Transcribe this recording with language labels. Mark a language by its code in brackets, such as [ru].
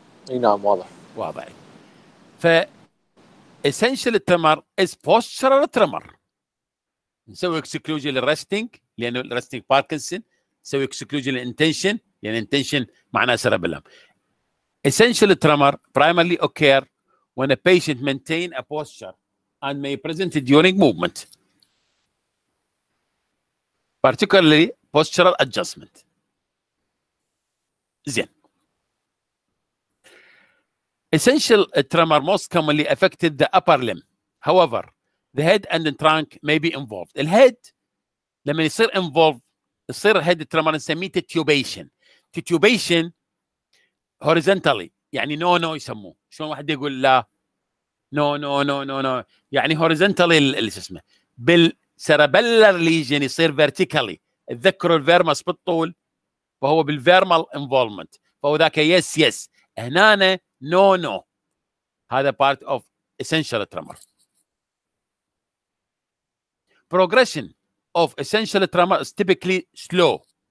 [ar] اي نعم واضح. واضح. ف [en] essential tremor is postural tremor. [ar] نسوي exclusion للresting لان resting باركنسون، نسوي exclusion للانتنشن لان انتنشن معناه سيربلم. [en] essential tremor primarily occur when a patient maintain a posture and may present during movement. Particularly postural adjustment. [ar] زين. [en] Essential tremor most commonly affected the upper limb. However, the head and the trunk may be involved. [ar] الهيد لما يصير involved يصير head tremor نسميه titubation. [en] Titubation horizontally يعني no no يسموه. [ar] شلون واحد يقول لا no no no no no يعني horizontally اللي اسمه. [en] بالcerebellar lesion يصير vertically. [ar] تذكروا الفيرمس بالطول فهو بالفيرمال انفولمنت فهو ذاك يس يس هنا نو نو هذا [en] Part of essential tremor. Progression of essential tremor is typically slow